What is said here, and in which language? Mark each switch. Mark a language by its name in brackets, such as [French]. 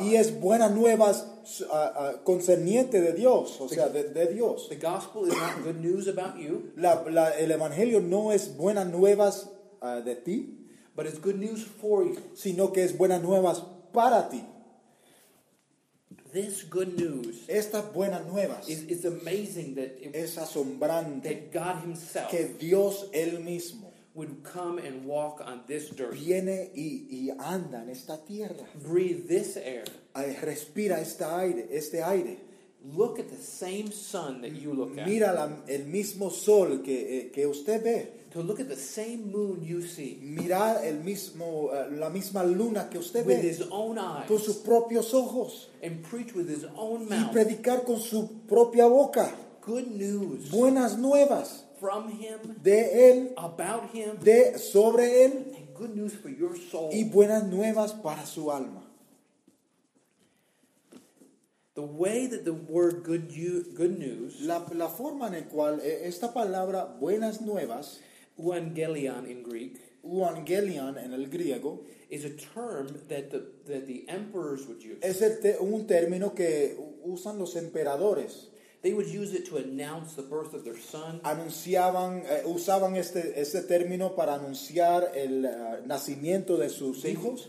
[Spanish] Y es buenas nuevas concerniente de Dios, o sea, de Dios. [English] The gospel is not good news about you. [Spanish] El evangelio no es buenas nuevas de ti. [English] But it's good news for you. [Spanish] Sino que es buenas nuevas para ti. [English] This good news, [Spanish] estas buenas nuevas, [English] is amazing that it, [Spanish] es asombrante [English] that God himself, [Spanish] que Dios él mismo, [English] would come and walk on this dirt, [Spanish] viene y anda en esta tierra, [English] breathe this air, [Spanish] respira este aire. [English] Look at the same sun that you look at. [Spanish] Mira el mismo sol que usted ve. [English] To look at the same moon you see. [Spanish] Mirar el mismo la misma luna que usted [English] with [Spanish] ve. [English] With his own eyes. [Spanish] Con sus propios ojos. [English] And preach with his own mouth. [Spanish] Y predicar con su propia boca. [English] Good news. [Spanish] Buenas nuevas. [English] From him. [Spanish] De él. [English] About him. [Spanish] De sobre él. [English] And good news for your soul. [Spanish] Y buenas nuevas para su alma. [English] The way that the word good news, [Spanish] la forma en la cual esta palabra buenas nuevas, [English] euangelion in Greek, [Spanish] euangelion en el griego, [English] is a term that the emperors would use. [Spanish] Es un término que usan los emperadores. [English] They would use it to announce the birth of their son. [Spanish] Usaban este término para anunciar el nacimiento de sus hijos.